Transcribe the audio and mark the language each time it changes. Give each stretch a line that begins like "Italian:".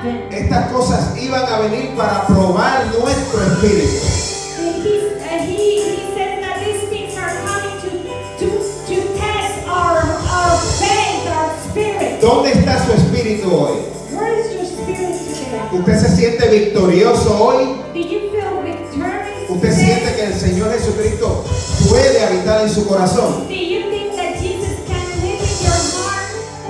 Spanish: Estas cosas iban a venir para probar nuestro espíritu.
English: He said that these things are coming to test our faith, our spirit.
Spanish: ¿Dónde está su espíritu hoy?
English: Where is your spirit today?
Spanish: ¿Usted se siente victorioso hoy?
English: Did you feel victorious?
Spanish: ¿Usted siente que el Señor Jesucristo puede habitar en su corazón?
English: Do you think that Jesus can live in your heart?